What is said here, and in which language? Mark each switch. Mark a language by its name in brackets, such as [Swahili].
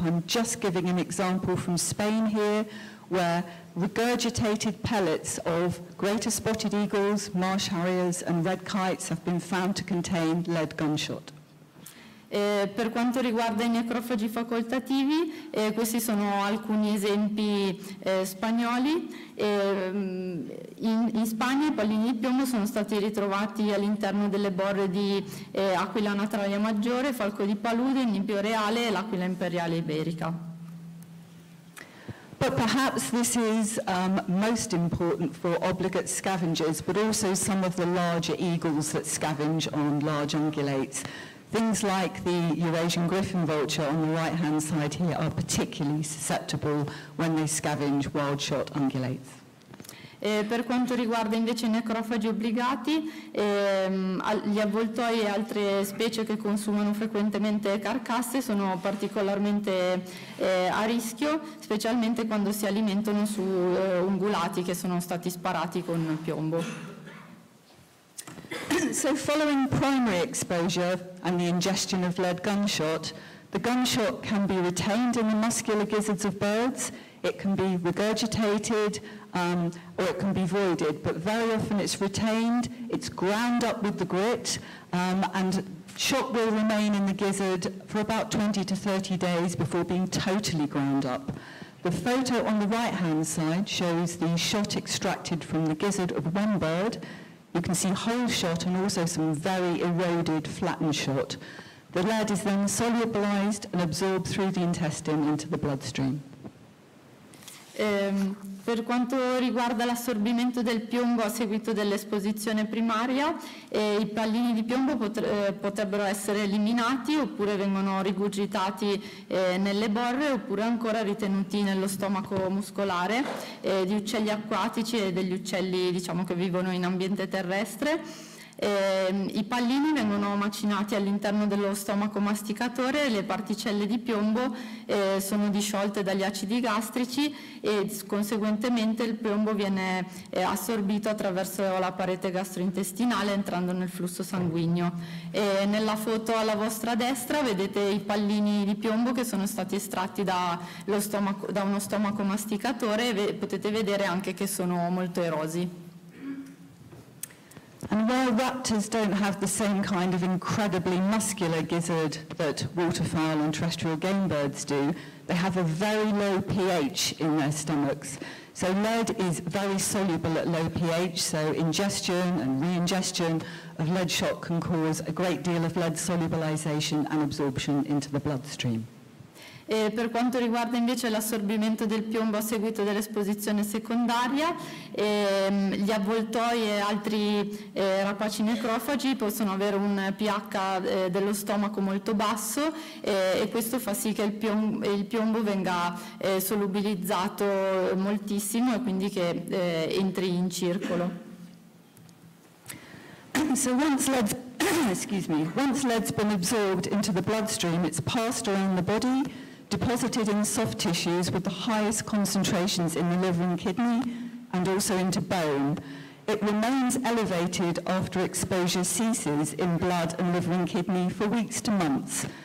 [English] I'm just giving an example from Spain here, where regurgitated pellets of greater spotted eagles, marsh harriers and red kites have been found to contain lead gunshot. [Italian] Per quanto riguarda i necrofagi facoltativi, questi sono alcuni esempi spagnoli. In Spagna i pallini di piombo sono stati ritrovati all'interno delle borre di Aquila natalia maggiore, falco di palude, nibbio reale e l'aquila imperiale iberica. [English] But perhaps this is most important for obligate scavengers, but also some of the larger eagles that scavenge on large ungulates. Things like the Eurasian griffon vulture on the right-hand side here are particularly susceptible when they scavenge wild-shot ungulates. [Italian] Per quanto riguarda invece i necrofagi obbligati, gli avvoltoi e altre specie che consumano frequentemente carcasse sono particolarmente a rischio, specialmente quando si alimentano su ungulati che sono stati sparati con piombo. [English] So following primary exposure and the ingestion of lead gunshot, the gunshot can be retained in the muscular gizzards of birds. It can be regurgitated or it can be voided, but very often it's retained, it's ground up with the grit, and shot will remain in the gizzard for about 20 to 30 days before being totally ground up. The photo on the right-hand side shows the shot extracted from the gizzard of one bird. You can see whole shot and also some very eroded flattened shot. The lead is then solubilized and absorbed through the intestine into the bloodstream. [Italian] Per quanto riguarda l'assorbimento del piombo a seguito dell'esposizione primaria, i pallini di piombo potrebbero essere eliminati oppure vengono rigurgitati nelle borre oppure ancora ritenuti nello stomaco muscolare di uccelli acquatici e degli uccelli, diciamo, che vivono in ambiente terrestre. I pallini vengono macinati all'interno dello stomaco masticatore e le particelle di piombo sono disciolte dagli acidi gastrici e conseguentemente il piombo viene assorbito attraverso la parete gastrointestinale entrando nel flusso sanguigno. Nella foto alla vostra destra vedete i pallini di piombo che sono stati estratti da uno stomaco masticatore e potete vedere anche che sono molto erosi. [English] And while raptors don't have the same kind of incredibly muscular gizzard that waterfowl and terrestrial game birds do, they have a very low pH in their stomachs. So lead is very soluble at low pH, so ingestion and re-ingestion of lead shot can cause a great deal of lead solubilization and absorption into the bloodstream. [Italian] E per quanto riguarda invece l'assorbimento del piombo a seguito dell'esposizione secondaria, gli avvoltoi e altri rapaci necrofagi possono avere un pH dello stomaco molto basso e questo fa sì che il piombo venga solubilizzato moltissimo e quindi che entri in circolo. [English] Once lead's been absorbed into the bloodstream, it's passed around the body, deposited in soft tissues with the highest concentrations in the liver and kidney and also into bone. It remains elevated after exposure ceases in blood and liver and kidney for weeks to months.